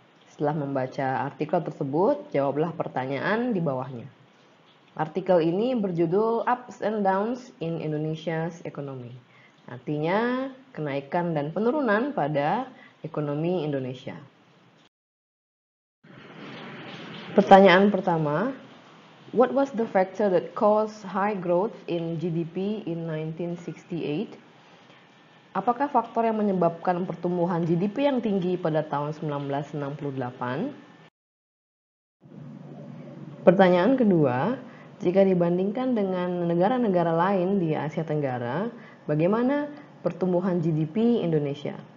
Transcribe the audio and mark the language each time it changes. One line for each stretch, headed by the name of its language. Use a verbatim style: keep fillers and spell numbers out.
Indonesian: Setelah membaca artikel tersebut, jawablah pertanyaan di bawahnya. Artikel ini berjudul Ups and Downs in Indonesia's Economy. Artinya, kenaikan dan penurunan pada ekonomi Indonesia. Pertanyaan pertama,
English: what was the factor that caused high growth in G D P in nineteen sixty-eight?
Indonesian: Apakah faktor yang menyebabkan pertumbuhan G D P yang tinggi pada tahun seribu sembilan ratus enam puluh delapan? Pertanyaan kedua, jika dibandingkan dengan negara-negara lain di Asia Tenggara, bagaimana pertumbuhan G D P Indonesia?